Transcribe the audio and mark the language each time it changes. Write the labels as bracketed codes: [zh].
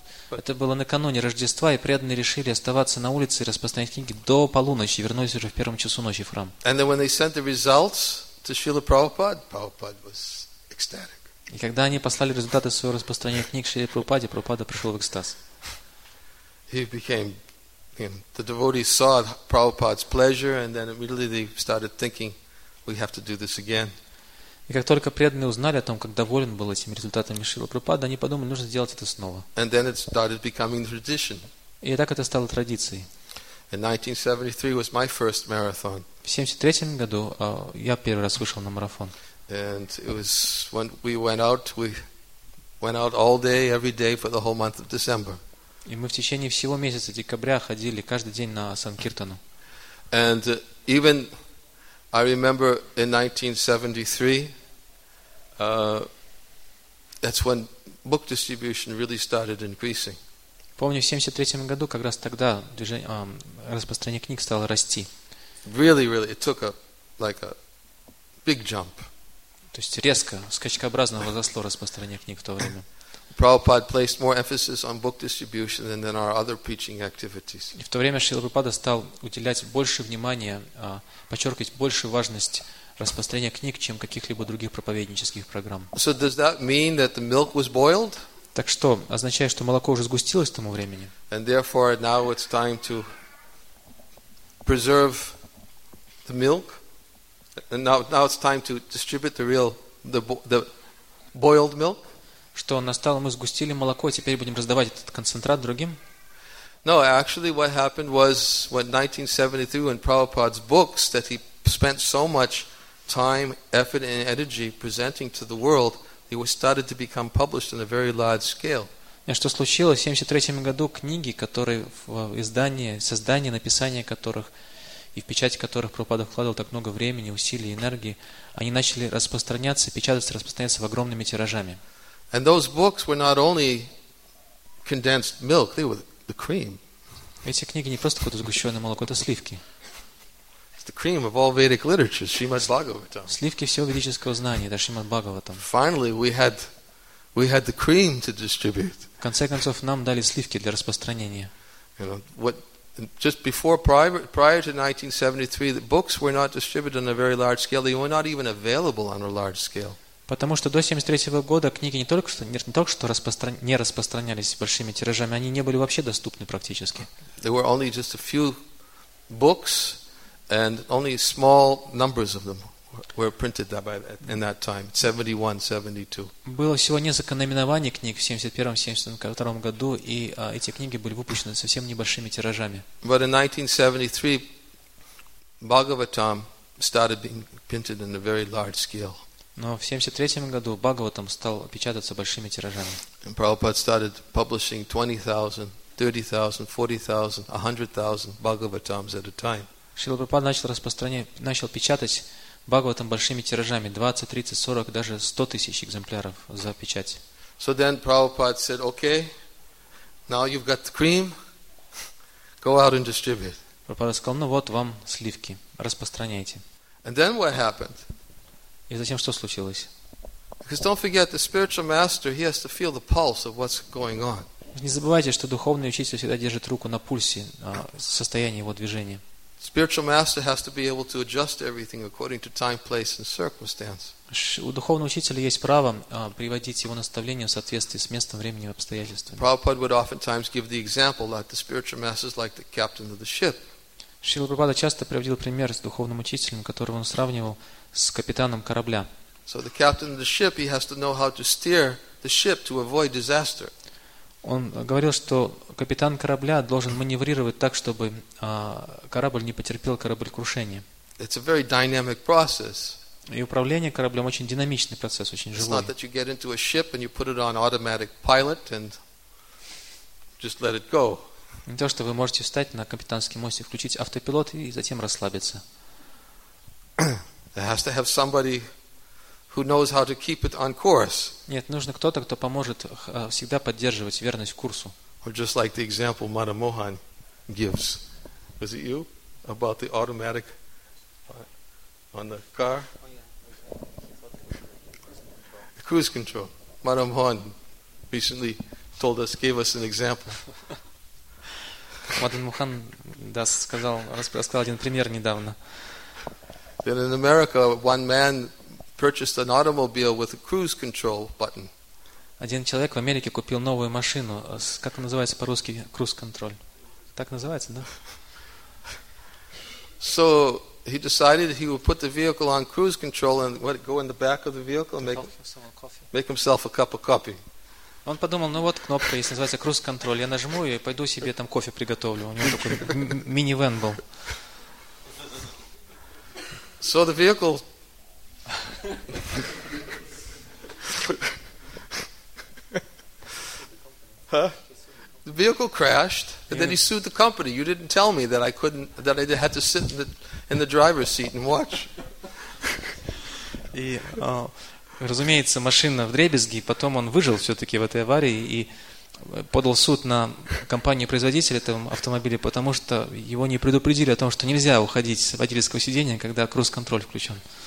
[ru] Это было накануне Рождества, и преданные решили оставаться на улице и распространять книги до полуночи, и вернулись уже в 1 часу ночи в храм. [en] And then when they sent the results to Srila Prabhupada, Prabhupada was ecstatic. [ru] И когда они послали результаты своего распространения книг Шриле Прабхупаде, Прабхупада пришел в экстаз. [en] He became, the devotees saw Prabhupada's pleasure, and then immediately they started thinking, we have to do this again. [ru] И как только преданные узнали о том, как доволен был этим результатом Шрила Прабхупада, они подумали, нужно сделать это снова. [en] And then it started becoming tradition. [ru] И так это стало традицией. [en] In 1973 was my first marathon. [ru] В 73-м году я первый раз вышел на марафон. [en] And it was when we went out all day, every day for the whole month of December. [ru] И мы в течение всего месяца декабря ходили каждый день на Санкиртану. [en] And even I remember in 1973, that's when book distribution really started increasing. [ru] Помню, в 73-м году, как раз тогда, движение, распространение книг стало расти. [en] Really, really, it took a, like a big jump. [ru] То есть резко, скачкообразно возросло распространение книг в то время. [en] Prabhupada placed more emphasis on book distribution than in our other preaching activities. [ru] И в то время Шрила Прабхупада стал уделять больше внимания, подчеркивать большую важность распространения книг, чем каких-либо других проповеднических программ. [en] So does that mean that the milk was boiled? [ru] Так что, означает, что молоко уже сгустилось к тому времени? [en] And therefore, now it's time to preserve the milk. And now it's time to distribute the boiled milk. [ru] Что настало, мы сгустили молоко, теперь будем раздавать этот концентрат другим? [en] No, actually what happened was when 1972 in Prabhupada's books that he spent so much time, effort and energy presenting to the world, they were started to become published on a very large scale. [ru] Что случилось в 73 году книги, которые в издание, создание, написание которых и в печать которых Прабхупада вкладывал так много времени, усилий, энергии, они начали распространяться, печататься, распространяться в огромными тиражами. [en] And those books were not only condensed milk, they were the cream. [ru] Эти книги не просто какое-то сгущенное молоко, это сливки. [en] It's the cream of all Vedic literature, Shrimad Bhagavatam. [ru] Сливки всего ведического знания, это Шримад Бхагаватам. [en] Finally, we had the cream to distribute. [ru] В конце концов, нам дали сливки для распространения. [en] You know, what, just before, prior to 1973, the books were not distributed on a very large scale. They were not even available on a large scale. [ru] Потому что до 73 года книги не только что не распространялись большими тиражами, они не были вообще доступны практически. [en] There were only just a few books, and only small numbers of them were printed in that time, 71-72. [ru] Было всего несколько наименований книг в 71-72 году, и эти книги были выпущены совсем небольшими тиражами. [en] But in 1973, Bhagavatam started being printed in a very large scale. [ru] Но в 73 году Бхагаватам стал печататься большими тиражами. [en] And Prabhupada started publishing 20,000, 30,000, 40,000, 100,000 Bhagavatams at a time. [ru] Шрила Прабхупада начал печатать Бхагаватам большими тиражами, 20, 30, 40, даже 100 тысяч экземпляров за печать. [en] So then Prabhupada said, okay, now you've got the cream, go out and distribute. [ru] Прабхупада сказал, ну вот вам сливки, распространяйте. [en] And then what happened? [ru] И затем что случилось? [en] Because don't forget, the spiritual master, he has to feel the pulse of what's going on. [ru] Не забывайте, что духовный учитель всегда держит руку на пульсе состояния его движения. [en] Spiritual master has to be able to adjust everything according to time, place and circumstance. [ru] У духовного учителя есть право приводить его наставления в соответствии с местом, временем и обстоятельствами. [en] Prabhupada would oftentimes give the example that the spiritual master is like the captain of the ship. [ru] Шрила Прабхупада часто приводил пример с духовным учителем, которого он сравнивал с капитаном корабля. [en] So the captain of the ship, he has to know how to steer the ship to avoid disaster. [ru] Он говорил, что капитан корабля должен маневрировать так, чтобы корабль не потерпел кораблекрушение. [en] It's a very dynamic process. [ru] И управление кораблем очень динамичный процесс, очень живой. [en] It's not that you get into a ship and you put it on automatic pilot and just let it go. [ru] Не то, что вы можете встать на капитанский мостик, включить автопилот и затем расслабиться. [en] There has to have somebody who knows how to keep it on course. [ru] Нет, нужно кто-то, кто поможет всегда поддерживать верность курсу. [en] Or just like the example Madan Mohan gives. Was it you? About the automatic on the car? The cruise control. Madan Mohan recently told us, gave us an example. [ru] Madan Mohan рассказал один пример недавно. [en] Then in America, one man purchased an automobile with a cruise control button. [ru] Один человек в Америке купил новую машину, как называется по-русски, cruise control. Так называется, да? [en] So he decided he would put the vehicle on cruise control and go in the back of the vehicle and make himself a cup of coffee. [ru] Он подумал, ну вот кнопка, если называется cruise control, я нажму ее и пойду себе там кофе приготовлю. У него такой минивэн был. [en] So the vehicle the vehicle crashed and then he sued the company. You didn't tell me that I couldn't that I had to sit in the driver's seat and watch. [ru] И, разумеется, машина вдребезги, потом он выжил всё-таки в этой аварии и подал суд на компанию-производителя этого автомобиля, потому что его не предупредили о том, что нельзя уходить с водительского сидения, когда круиз-контроль включен.